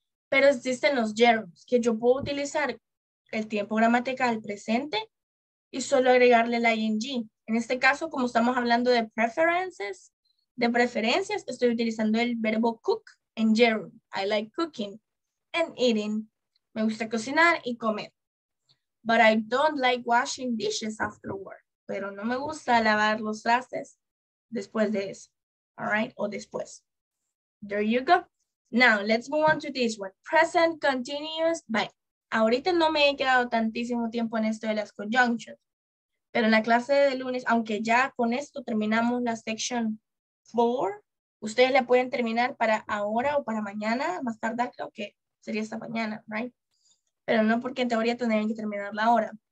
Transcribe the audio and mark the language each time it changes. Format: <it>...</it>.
<es>Pero existen los gerunds que yo puedo utilizar el tiempo gramatical presente y solo agregarle la ing. En este caso, como estamos hablando de preferences, de preferencias, estoy utilizando el verbo cook en gerund.</es> <en>I like cooking and eating.</en> <es>Me gusta cocinar y comer.</es> <en>But I don't like washing dishes after work.</en> <es>Pero no me gusta lavar los trastes después de eso.</es> <en>All right?</en> <es>O después.</es> <en>There you go. Now, let's move on to this one. Present continuous. Bye.</en> <es>Ahorita no me he quedado tantísimo tiempo en esto de las conjunctions. Pero en la clase de lunes, aunque ya con esto terminamos la section 4, ustedes la pueden terminar para ahora o para mañana, más tarde, creo que sería esta mañana,</es> <en>right?</en> <es>Pero no porque en teoría tendrían que terminarla ahora.</es>